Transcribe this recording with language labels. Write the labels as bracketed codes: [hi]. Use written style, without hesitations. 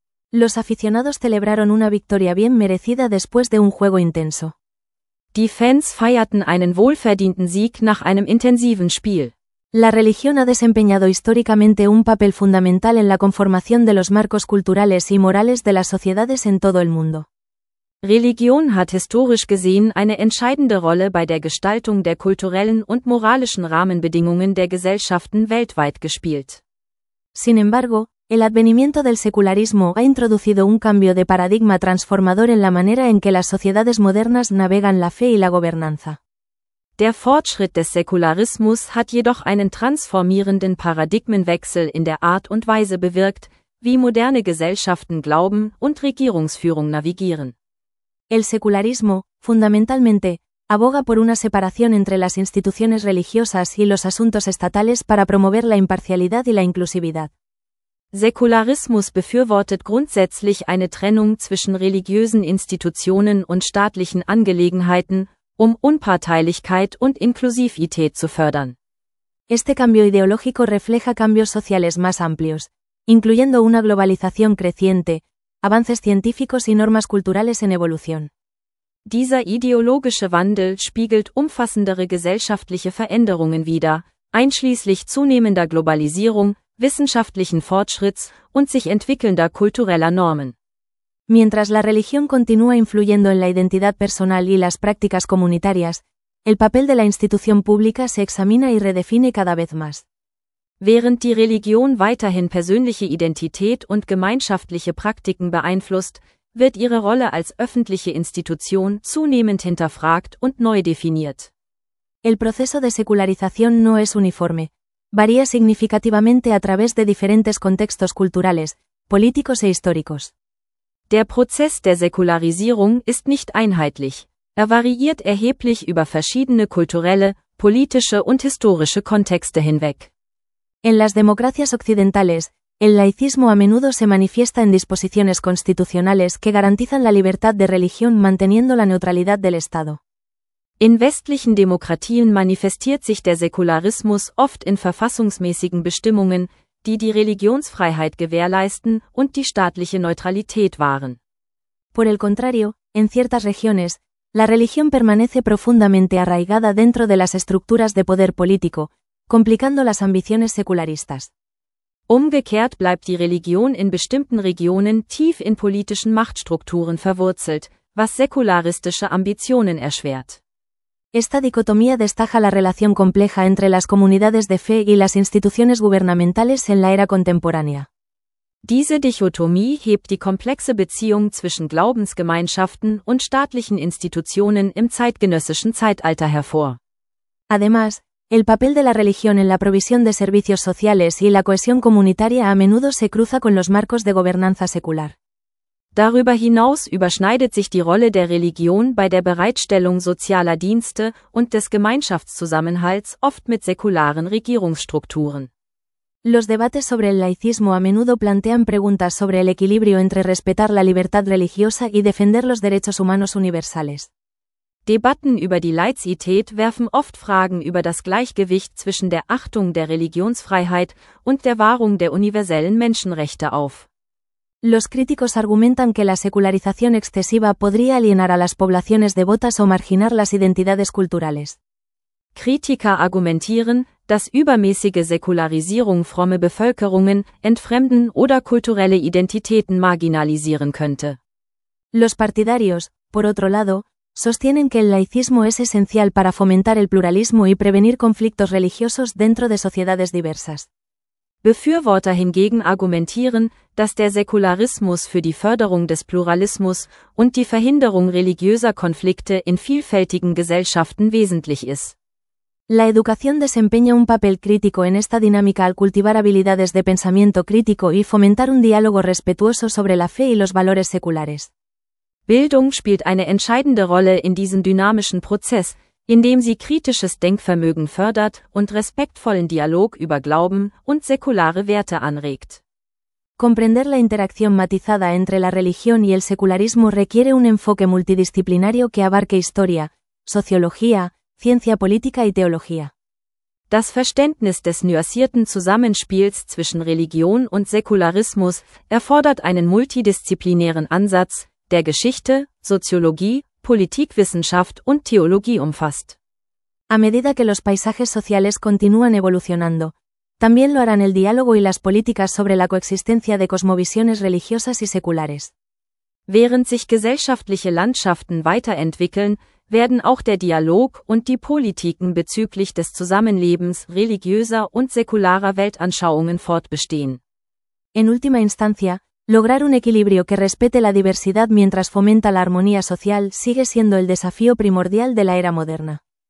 [es] Los aficionados celebraron una victoria bien merecida después de un juego intenso. [de] Die Fans feierten einen wohlverdienten Sieg nach einem intensiven Spiel. [es] La religión ha desempeñado históricamente un papel fundamental en la conformación de los marcos culturales y morales de las sociedades en todo el mundo. [de] Religion hat historisch gesehen eine entscheidende Rolle bei der Gestaltung der kulturellen und moralischen Rahmenbedingungen der Gesellschaften weltweit gespielt. [es] Sin embargo, el advenimiento del secularismo ha introducido un cambio de paradigma transformador en la manera en que las sociedades modernas navegan la fe y la gobernanza. [de] Der Fortschritt des Säkularismus hat jedoch einen transformierenden Paradigmenwechsel in der Art und Weise bewirkt, wie moderne Gesellschaften Glauben und Regierungsführung navigieren. [es] El secularismo, fundamentalmente, aboga por una separación entre las instituciones religiosas y los asuntos estatales para promover la imparcialidad y la inclusividad. [de] Säkularismus befürwortet grundsätzlich eine Trennung zwischen religiösen Institutionen und staatlichen Angelegenheiten, um Unparteilichkeit und Inklusivität zu fördern. [es] Este cambio ideológico refleja cambios sociales más amplios, incluyendo una globalización creciente, avances científicos y normas culturales en evolución. [de] Dieser ideologische Wandel spiegelt umfassendere gesellschaftliche Veränderungen wider, einschließlich zunehmender Globalisierung, wissenschaftlichen Fortschritts und sich entwickelnder kultureller Normen. [es] Mientras la religión continúa influyendo en la identidad personal y las prácticas comunitarias, el papel de la institución pública se examina y redefine cada vez más. [de] Während die Religion weiterhin persönliche Identität und gemeinschaftliche Praktiken beeinflusst, wird ihre Rolle als öffentliche Institution zunehmend hinterfragt und neu definiert. [es] El proceso de secularización no es uniforme. Varía significativamente a través de diferentes contextos culturales, políticos e históricos. [de] Der Prozess der Säkularisierung ist nicht einheitlich. Er variiert erheblich über verschiedene kulturelle, politische und historische Kontexte hinweg. [es] En las democracias occidentales, el laicismo a menudo se manifiesta en disposiciones constitucionales que garantizan la libertad de religión manteniendo la neutralidad del Estado. [de] In westlichen Demokratien manifestiert sich der Säkularismus oft in verfassungsmäßigen Bestimmungen, die die Religionsfreiheit gewährleisten und die staatliche Neutralität wahren. [es] Por el contrario, en ciertas regiones, la religión permanece profundamente arraigada dentro de las estructuras de poder político, complicando las ambiciones secularistas. [de] Umgekehrt bleibt die Religion in bestimmten Regionen tief in politischen Machtstrukturen verwurzelt, was säkularistische Ambitionen erschwert. [es] Esta dicotomía destaca la relación compleja entre las comunidades de fe y las instituciones gubernamentales en la era contemporánea. [de] Diese Dichotomie hebt die komplexe Beziehung zwischen Glaubensgemeinschaften und staatlichen Institutionen im zeitgenössischen Zeitalter hervor. [es] Además, el papel de la religión en la provisión de servicios sociales y la cohesión comunitaria a menudo se cruza con los marcos de gobernanza secular. [de] Darüber hinaus überschneidet sich die Rolle der Religion bei der Bereitstellung sozialer Dienste und des Gemeinschaftszusammenhalts oft mit säkularen Regierungsstrukturen. [es] Los debates sobre el laicismo a menudo plantean preguntas sobre el equilibrio entre respetar la libertad religiosa y defender los derechos humanos universales. [de] Debatten über die Laizität werfen oft Fragen über das Gleichgewicht zwischen der Achtung der Religionsfreiheit und der Wahrung der universellen Menschenrechte auf. [es] Los críticos argumentan que la secularización excesiva podría alienar a las poblaciones devotas o marginar las identidades culturales. [de] Kritiker argumentieren, dass übermäßige Säkularisierung fromme Bevölkerungen entfremden oder kulturelle Identitäten marginalisieren könnte. [es] Los partidarios, por otro lado, sostienen que el laicismo es esencial para fomentar el pluralismo y prevenir conflictos religiosos dentro de sociedades diversas. [de] Befürworter hingegen argumentieren, dass der Säkularismus für die Förderung des Pluralismus und die Verhinderung religiöser Konflikte in vielfältigen Gesellschaften wesentlich ist. [es] La educación desempeña un papel crítico en esta dinámica al cultivar habilidades de pensamiento crítico y fomentar un diálogo respetuoso sobre la fe y los valores seculares. [de] Bildung spielt eine entscheidende Rolle in diesem dynamischen Prozess, indem sie kritisches Denkvermögen fördert und respektvollen Dialog über Glauben und säkulare Werte anregt. [es] Comprender la interacción matizada entre la religión y el secularismo requiere un enfoque multidisciplinario que abarque historia, sociología, ciencia política y teología. [de] Das Verständnis des nuancierten Zusammenspiels zwischen Religion und Säkularismus erfordert einen multidisziplinären Ansatz, der Geschichte, Soziologie, Politikwissenschaft und Theologie umfasst. [es] A medida que los paisajes sociales continúan evolucionando, también lo harán el diálogo y las políticas sobre la coexistencia de cosmovisiones religiosas y seculares. [de] Während sich gesellschaftliche Landschaften weiterentwickeln, werden auch der Dialog und die Politiken bezüglich des Zusammenlebens religiöser und säkularer Weltanschauungen fortbestehen. [es] En última instancia, lograr un equilibrio que respete la diversidad mientras fomenta la armonía social sigue siendo el desafío primordial de la era moderna.